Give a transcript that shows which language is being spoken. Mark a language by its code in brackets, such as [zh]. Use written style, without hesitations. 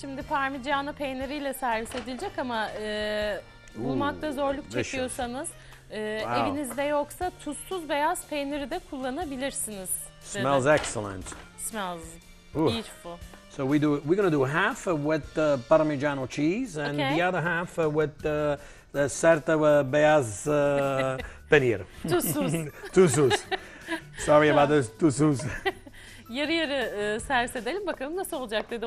[tr] Şimdi parmigiana peyniriyle servis edilecek ama bulmakta zorluk çekiyorsanız, evinizde yoksa tuzsuz beyaz peyniri de kullanabilirsiniz. [en] Smells excellent. Smells beautiful. So we're gonna do half with the parmigiano cheese and the other half with the certa beyaz peynir. [tr] Tuzsuz. [en] Tuzsuz. Sorry about this, tuzsuz. [tr] Yarı yarı servis edelim bakalım nasıl olacak dedi.